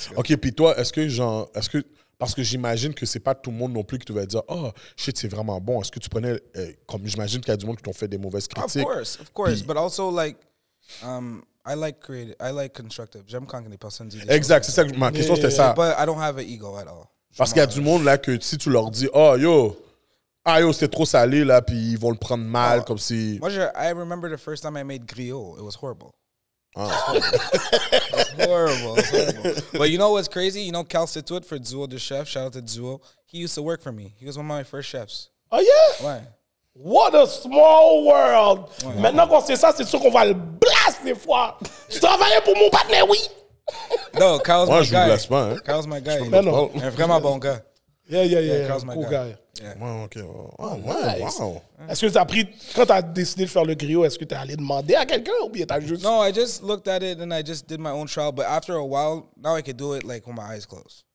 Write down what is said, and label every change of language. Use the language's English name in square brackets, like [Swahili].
[French] OK, puis toi, est-ce que, parce que j'imagine que c'est pas tout le monde non plus qui te va dire, oh, shit, c'est vraiment bon, est-ce que tu prenais, comme j'imagine qu'il y a du monde qui t'ont fait des mauvaises critiques. [English] Of course, but also, like, I like creative. I like constructive. [French] J'aime quand les personnes disent. Exact. C'est ça. Ma question c'était ça. [English] But I don't have an ego at all. [French] Parce qu'il y a du monde là que si tu leur dis, oh yo, ah yo, c'était trop salé là, puis ils vont le prendre mal comme si. [English] Moi, I remember the first time I made griot. It was horrible. It was horrible. But you know what's crazy? You know Cal Situate for Zuo the chef. Shout out to Zuo. He used to work for me. He was one of my first chefs. Oh yeah. Why? What a small world! Ouais. [French] Maintenant qu'on sait ça, c'est sûr qu'on va le blast des fois! Tu travailles pour mon partner, oui! [English] Non, Kyle's [French] moi, [English] my guy. [French] Moi, je vous blasse pas, hein? [English] Kyle's my guy. [French] Un vraiment bon gars. [English] Yeah, Kyle's my cool guy. [French] Ouais, ok. Oh, ouais, nice. Wow. Est-ce que t'as pris. Quand t'as décidé de faire le griot, est-ce que t'es allé demander à quelqu'un ou bien t'as juste. [English] No, I just looked at it and I just did my own trial, but after a while, now I can do it like with my eyes closed.